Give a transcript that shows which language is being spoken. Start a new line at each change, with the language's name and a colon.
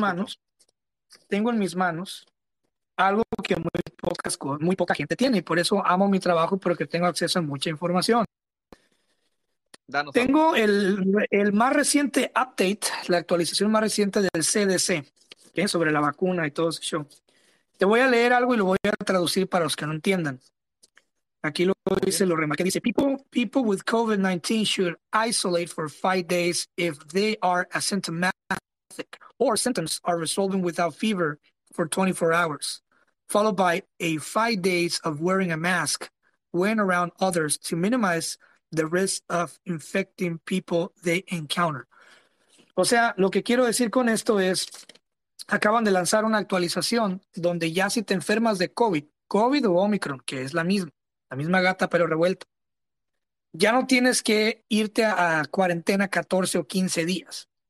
Spanish: manos, tengo en mis manos algo que muy poca gente tiene, y por eso amo mi trabajo, porque tengo acceso a mucha información. Danos algo. Tengo el más reciente update, la actualización más reciente del CDC, ¿okay? Sobre la vacuna y todo ese show. Te voy a leer algo y lo voy a traducir para los que no entiendan. Aquí Okay. lo remarqué, dice:
English: People with COVID-19 should isolate for 5 days if they are asymptomatic or symptoms are resolving without fever for 24 hours, followed by a 5 days of wearing a mask when around others to minimize the risk of infecting people they encounter.
Spanish: O sea, lo que quiero decir con esto es, acaban de lanzar una actualización donde ya si te enfermas de COVID o Omicron, que es la misma gata pero revuelta, ya no tienes que irte a cuarentena 14 o 15 días.